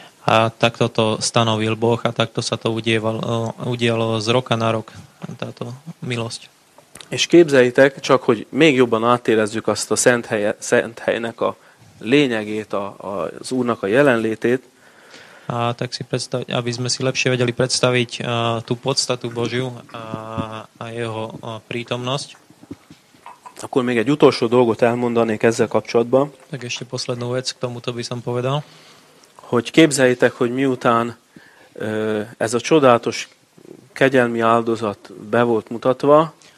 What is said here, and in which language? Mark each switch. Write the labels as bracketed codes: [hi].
[sk] A takto to stanovil Boh, a takto sa to udialo z roka na rok, táto milosť. [hu] És képzeljétek, csak hogy még jobban átérezzük azt a szent helynek a lényegét, az Úrnak a jelenlétét. [sk] A tak si predstavte, aby sme si lepšie vedeli predstaviť tú podstatu Božiu a jeho prítomnosť. [hu] Akkor még egy utolsó dolgot elmondanék ezzel kapcsolatban. [sk] Tak ešte poslednú vec k tomuto by som povedal. [hu] Hogy képzeljétek, hogy miután ez a csodálatos kegyelmi áldozat be volt mutatva,